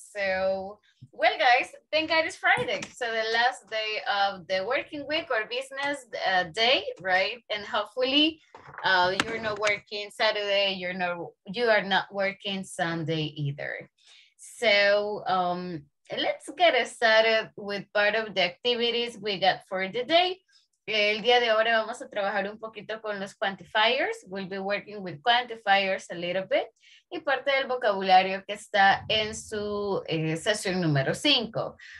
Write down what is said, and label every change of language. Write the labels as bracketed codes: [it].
[en] So, well, guys, thank God it's Friday. So the last day of the working week or business day, right? And hopefully you're not working Saturday, you are not working Sunday either. So, let's get started with part of the activities we got for the day. [es] El día de ahora vamos a trabajar un poquito con los quantifiers. [en] We'll be working with quantifiers a little bit. [es] Y parte del vocabulario que está en su sesión número 5.